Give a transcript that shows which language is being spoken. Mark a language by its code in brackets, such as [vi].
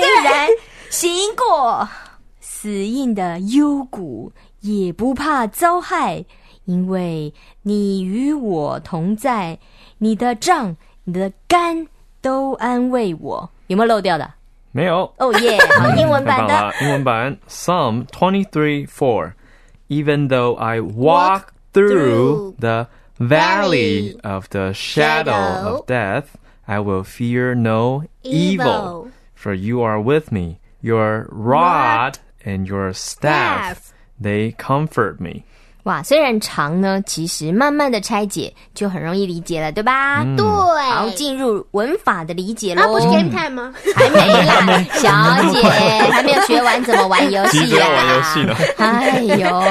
[zh] 虽然行过死荫的幽谷，也不怕遭害，因为你与我同在，你的杖，你的竿。都安慰我，有没有漏掉的？没有。哦耶，好，英文版的。英文版 [en] Psalm 23:4 Even though I walk through the valley of the shadow of death, I will fear no evil, for you are with me. Your rod and your staff, they comfort me. [zh] 哇，虽然长呢，其实慢慢的拆解就很容易理解了，对吧？对。好，进入文法的理解喽。那不是 [en] game time [zh] 吗？还没啦，小姐，还没有学完怎么玩游戏啦。急着要玩游戏呢。哎呦，